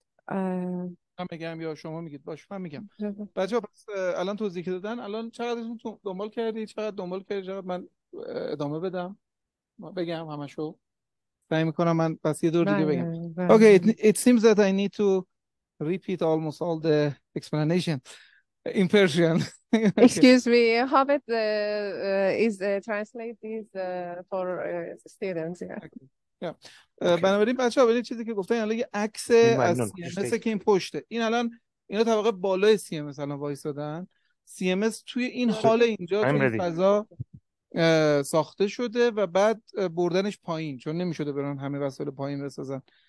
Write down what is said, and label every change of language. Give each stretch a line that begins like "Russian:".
Persian: من میگم یا شما میگید باشه من میگم بچه ها پس الان توضیح که دادن الان چقدرشون دنبال کردی چقدر دنبال کردی چقدر من ادامه بدم بگم همشو سعی میکنم من پس یه دور دیگه بگم اوکی
English: it seems that I need to repeat almost all the explanation in Persian. Excuse me, how it is translate this for students?
Persian: بنابراین بچه ها ببینید چیزی که گفتن الان یه عکس از CMS که این پشته این الان اینا طبقه بالای CMS الان وایسادن CMS توی این حال اینجا توی فضا ساخته شده و بعد بردنش پایین چون نمیشده بران همه وسایل پایین بسازن